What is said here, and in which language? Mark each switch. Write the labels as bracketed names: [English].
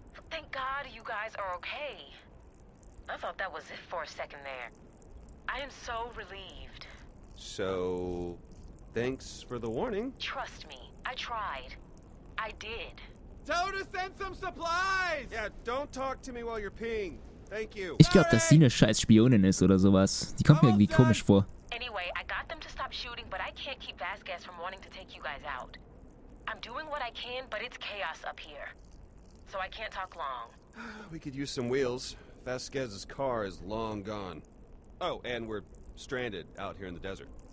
[English] Thank God you guys are okay. I thought that was it for a second there. I am so relieved. So, thanks for the warning. Trust me, I tried. I did. Tell her to send some supplies! Yeah, don't talk to me while you're peeing. Thank you. [German] Ich glaube, dass sie eine scheiß Spionin ist oder sowas. Die kommt mir irgendwie komisch vor. [English] Anyway, I got them to stop shooting, but I can't keep Vasquez from wanting to take you guys out. I'm doing what I can, but it's chaos up here. So I can't talk long. We could use some wheels. Vasquez's car is long gone. Oh, and we're stranded out here in the desert.